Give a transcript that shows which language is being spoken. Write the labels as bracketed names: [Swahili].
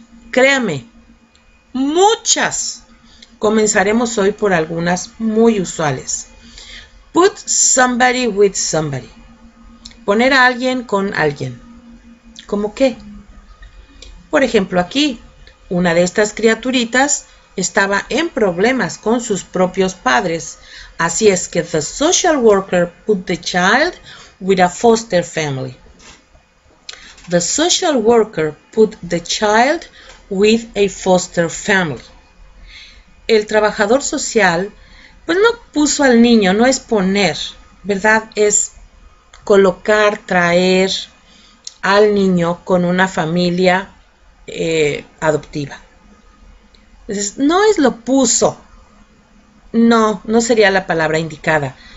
[Spanish] Créame, muchas. Comenzaremos hoy por algunas muy usuales. [English] Put somebody with somebody. [Spanish] Poner a alguien con alguien. ¿Cómo qué? Por ejemplo, aquí, una de estas criaturitas estaba en problemas con sus propios padres. Así es que [English] the social worker put the child with a foster family. The social worker put the child with a foster family. [Spanish] El trabajador social, pues no puso al niño, no es poner, ¿verdad? Es colocar, traer al niño con una familia adoptiva. Entonces, no es lo puso. No, no sería la palabra indicada.